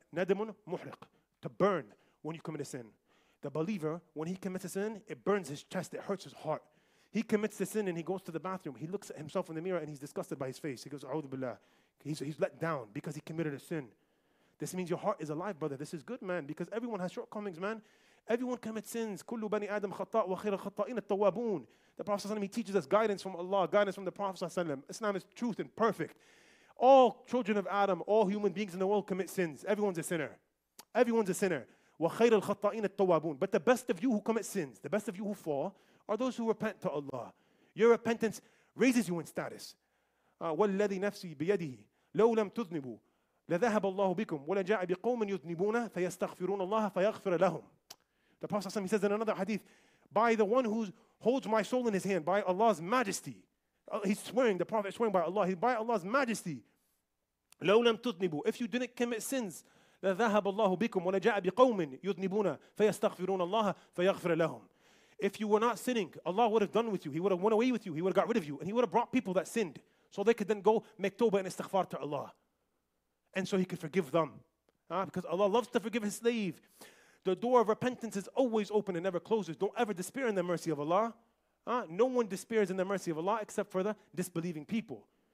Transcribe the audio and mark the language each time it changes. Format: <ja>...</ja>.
<en>Nadimun muhriq, to burn when you commit a sin. The believer, when he commits a sin, it burns his chest, it hurts his heart. He commits the sin and he goes to the bathroom. He looks at himself in the mirror and he's disgusted by his face. He goes, a'udhu billah. He's let down because he committed a sin. This means your heart is alive, brother. This is good, man, because everyone has shortcomings, man. Everyone commits sins.</en> <ar>كل بني آدم خطاء وخير الخطائين التوابون.</ar> <en>The Prophet ﷺ, he teaches us guidance from Allah, guidance from the Prophet ﷺ. Islam is truth and perfect. All children of Adam, all human beings in the world commit sins. Everyone's a sinner. Everyone's a sinner.</en> <ar>وخير الخطائين التوابون.</ar> <en>But the best of you who commit sins, the best of you who fall, are those who repent to Allah. Your repentance raises you in status.</en> <ar>والذي نفسي بيده لو لم تذنبوا لذهب الله بكم ولا جاء بقوم يذنبون فيستغفرون الله فيغفر لهم.</ar> <en>The Prophet ﷺ, he says in another hadith, by the one who holds my soul in his hand, by Allah's majesty. He's swearing, the Prophet is swearing by Allah. By Allah's majesty.</en> <ar>لو لم تذنبوا,</ar> <en>if you didn't commit sins,</en> <ar>لذهب الله بكم ولا جاء بقوم يذنبون فيستغفرون الله فيغفر لهم.</ar> <en>If you were not sinning, Allah would have done with you. He would have went away with you. He would have got rid of you. And he would have brought people that sinned so they could then go make tawbah and istighfar to Allah. And so he could forgive them. Because Allah loves to forgive his slave. The door of repentance is always open and never closes. Don't ever despair in the mercy of Allah. No one despairs in the mercy of Allah except for the disbelieving people.</en>